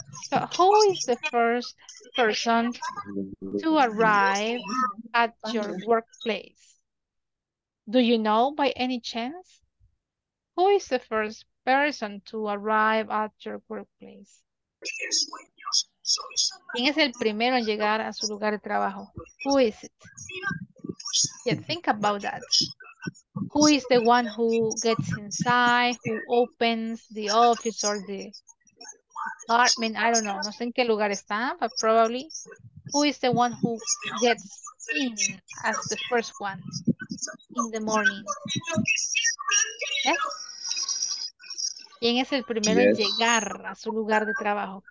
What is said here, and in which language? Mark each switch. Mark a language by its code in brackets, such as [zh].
[en] So who is the first person to arrive at your workplace? Do you know by any chance? Who is the first person to arrive at your workplace? [es] ¿Quién es el primero en llegar a su lugar de trabajo? [en] Who is it? Yeah, think about that. Who is the one who gets inside, who opens the office or the apartment? I don't know. [es] No sé en qué lugar está, [en] but probably. Who is the one who gets in as the first one in the morning? Yeah? [es] ¿Quién es el primero en llegar a su lugar de trabajo?